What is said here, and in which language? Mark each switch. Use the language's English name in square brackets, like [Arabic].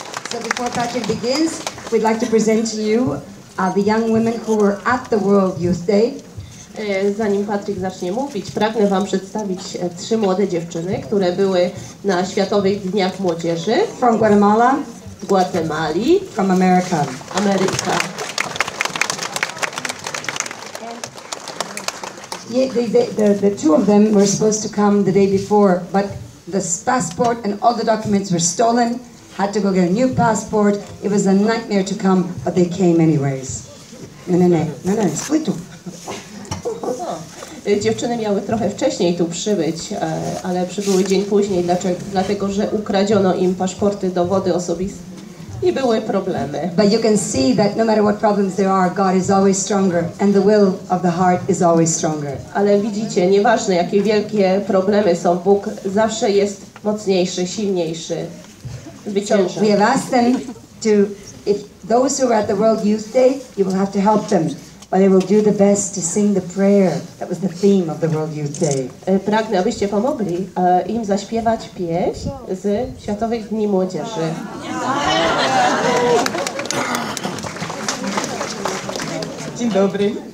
[English] So before Patrick begins, we'd like to present to you the young women who were at the World Youth Day. [Polish] Zanim Patryk zacznie mówić, pragnę wam przedstawić trzy młode dziewczyny, które były na Światowych Dniach Młodzieży. [English] From Guatemala. [Polish] Z Guatemali. [English] From America. [Polish] Ameryka. [English] Yeah, the two of them were supposed to come the day before, but the passport and all the documents were stolen. Had to go get a new passport. It was a nightmare to come, but they came anyways. No, no, no, no, no, split two. [Polish] Dziewczyny miały trochę wcześniej tu przybyć, ale przybyły dzień później. Dlaczego? Dlatego, że ukradziono im paszporty, dowody osobiste. I były problemy. [English] But you can see that no matter what problems there are, God is always stronger and the will of the heart is always stronger. [Polish] Ale widzicie, nieważne jakie wielkie problemy są, Bóg zawsze jest mocniejszy, silniejszy. Zwycięża. [English] We have asked them to, if those who are at the World Youth Day, you will have to help them. But they will do the best to sing the prayer. That was the theme of the World Youth Day. [Polish] Pragnę, abyście pomogli im zaśpiewać pieśń z Światowych Dni Młodzieży. Dzień dobry.